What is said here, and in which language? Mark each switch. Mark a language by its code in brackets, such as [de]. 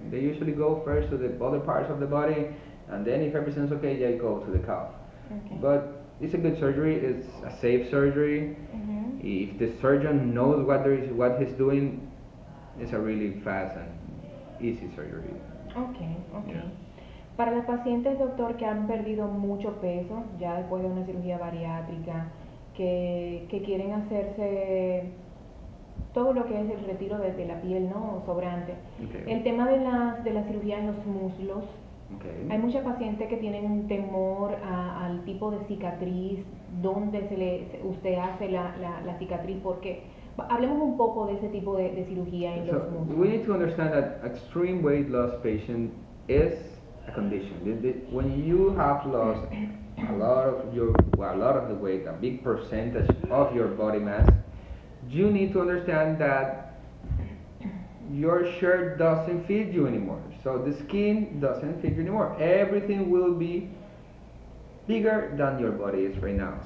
[en] They usually go first to the other parts of the body, and then if everything's okay, they go to the calf. Okay. But it's a good surgery. It's a safe surgery. Mm-hmm. If the surgeon knows what he's doing, it's a really fast and easy surgery. Okay. Yeah. [es] Para los pacientes, doctor, que han perdido mucho peso ya después de una cirugía bariátrica, que quieren hacerse todo lo que es el retiro de la piel, ¿no? Sobrante. [en] Okay. [es] El tema de la cirugía en los muslos. [en] Okay. [es] Hay muchas pacientes que tienen un temor al tipo de cicatriz, dónde usted hace la cicatriz, porque hablemos un poco de ese tipo de cirugía en los muslos. [en] We need to understand that extreme weight loss patient is a condition. When you have lost a lot of the weight, a big percentage of your body mass, you need to understand that your shirt doesn't fit you anymore. So the skin doesn't fit you anymore. Everything will be bigger than your body is right now.